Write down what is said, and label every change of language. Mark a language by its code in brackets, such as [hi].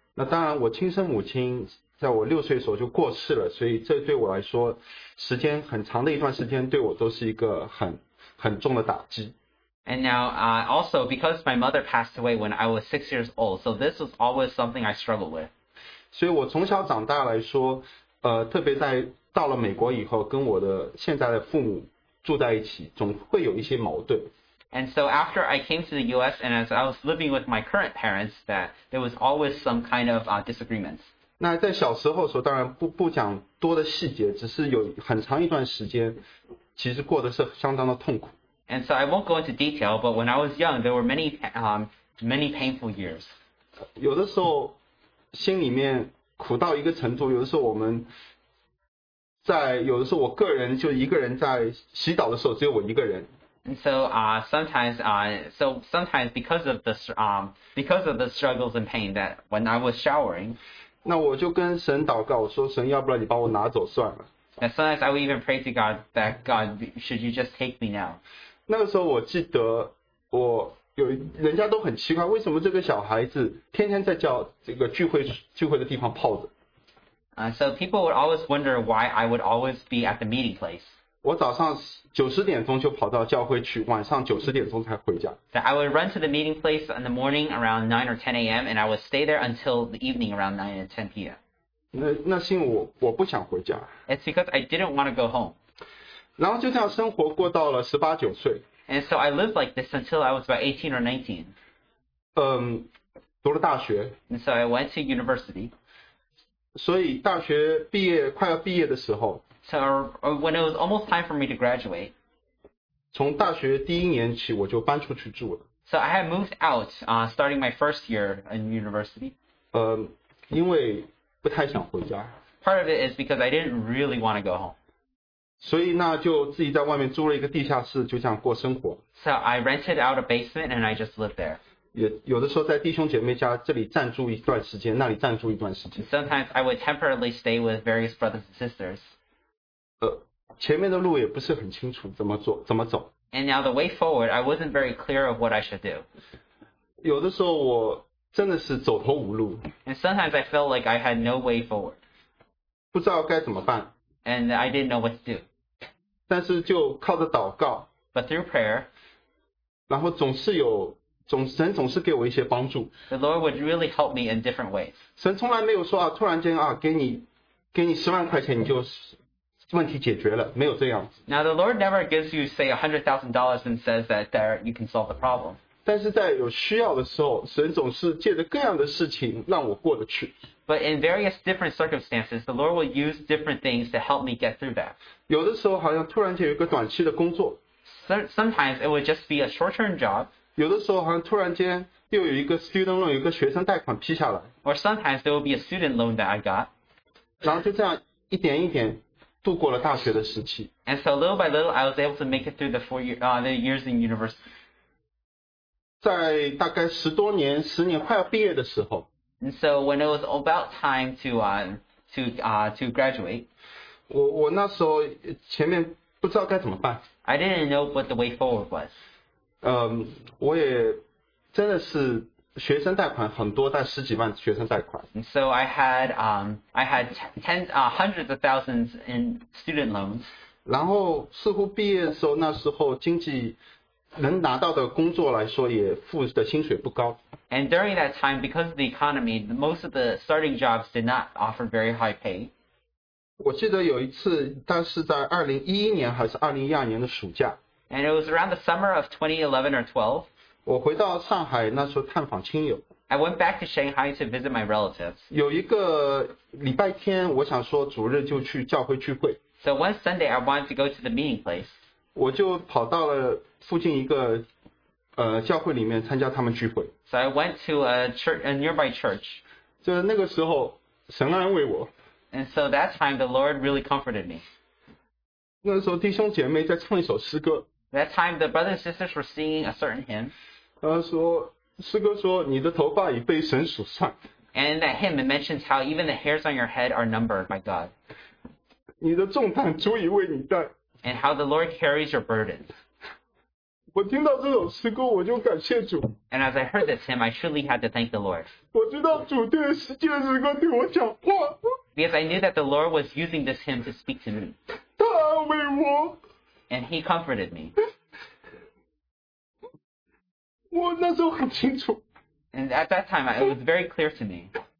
[zh] 那当然，我亲生母亲在我六岁的时候就过世了，所以这对我来说，时间很长的一段时间对我都是一个很重的打击。 [en] And now, also, because my mother passed away when I was 6 years old, so this was always something I struggled with. [zh] 所以我从小长大来说，特别在到了美国以后，跟我的现在的父母住在一起，总会有一些矛盾。 [en] And so after I came to the U.S. and as I was living with my current parents, that there was always some kind of disagreements. [zh] 那在小时候的时候，当然不讲多的细节，只是有很长一段时间，其实过得是相当的痛苦。 [en] And so I won't go into detail, but when I was young, there were many, many painful years. [zh] 有的时候心里面苦到一个程度，有的时候我个人就一个人在祈祷的时候，只有我一个人。 [en] And so sometimes because of the struggles and pain that when I was showering. [zh] 那我就跟神祷告，我说神，要不然你把我拿走算了。 [en] And sometimes I would even pray to God that God, should you just take me now? [zh] 那个时候我记得我有人家都很奇怪，为什么这个小孩子天天在叫这个聚会的地方泡着。 [en] So people would always wonder why I would always be at the meeting place. [zh] 我早上9:00就跑到教会去，晚上9:00才回家。 [en] So I would run to the meeting place in the morning around 9 or 10 a.m. and I would stay there until the evening around 9 or 10 p.m. [zh] 那是因为我不想回家。 [en] It's because I didn't want to go home. [zh] 然后就这样生活过到了十八九岁。 [en] And so I lived like this until I was about 18 or 19. [zh] 读了大学。 [en] And so I went to university. [zh] 所以大学毕业快要毕业的时候 [en] So when it was almost time for me to graduate [zh] 从大学第一年起我就搬出去住了 [en] So I had moved out starting my first year in university [zh] 因为不太想回家 [en] Part of it is because I didn't really want to go home [zh] 所以那就自己在外面租了一个地下室就这样过生活 [en] So I rented out a basement and I just lived there [zh] 有的时候在弟兄姐妹家这里暂住一段时间那里暂住一段时间 [en] Sometimes I would temporarily stay with various brothers and sisters [zh] 前面的路也不是很清楚怎么走 [en] And now the way forward I wasn't very clear of what I should do [zh] 有的时候我真的是走投无路 [en] And sometimes I felt like I had no way forward [zh] 不知道该怎么办 [en] And I didn't know what to do [zh] 但是就靠着祷告 [en] But through prayer [zh] 然后神总是给我一些帮助。 [en] The Lord would really help me in different ways. [zh] 神从来没有说啊，突然间啊，给你10万块钱，你就问题解决了，没有这样子。 [en] Now the Lord never gives you, say, $100,000 and says that there you can solve the problem. [zh] 但是在有需要的时候，神总是借着各样的事情让我过得去。 [en] But in various different circumstances, the Lord will use different things to help me get through that. [zh] 有的时候好像突然间有一个短期的工作。 [en] Sometimes it would just be a short-term job. [zh] 有的时候好像突然间又有一个 student loan， 有一个学生贷款批下来。 [en] Or sometimes there will be a student loan that I got. [zh] 然后就这样一点一点度过了大学的时期。 [en] And so little by little, I was able to make it through the four years in university. [zh] 在大概十多年、十年快要毕业的时候。 [en] And so when it was about time to graduate. [zh] 我那时候前面不知道该怎么办。 [en] I didn't know what the way forward was. [zh] 我也真的是学生贷款很多，但十几万学生贷款。 [en] And so I had hundreds of thousands in student loans. [zh] 然后似乎毕业的时候，那时候经济能拿到的工作来说，也付的薪水不高。 [en] And during that time, because of the economy, most of the starting jobs did not offer very high pay. [zh] 我记得有一次，但是在2011年还是2012年的暑假。 [en] And it was around the summer of 2011 or 12. [zh] 我回到上海那时候探访亲友。 [en] I went back to Shanghai to visit my relatives. [zh] 有一个礼拜天，我想说主日就去教会聚会。 [en] So one Sunday, I wanted to go to the meeting place. [zh] 我就跑到了附近一个教会里面参加他们聚会。 [en] So I went to a nearby church. [zh] 就那个时候神安慰我。 [en] And so that time the Lord really comforted me. [zh] 那时候弟兄姐妹在唱一首诗歌。 [en] That time the brothers and sisters were singing a certain hymn. [zh] 诗歌说你的头发已被神数算。 [en] And in that hymn it mentions how even the hairs on your head are numbered by God. [zh] 你的重担足以为你担。 [en] And how the Lord carries your burden. [zh] 我听到这首诗歌我就感谢主。 [en] And as I heard this hymn, I truly had to thank the Lord. [zh] 我知道主对实际的诗歌对我讲话。 [en] Because I knew that the Lord was using this hymn to speak to me. [zh] 他安慰我。 [en] And he comforted me. [zh] 我那时候很清楚。 [en] And at that time, it was very clear to me.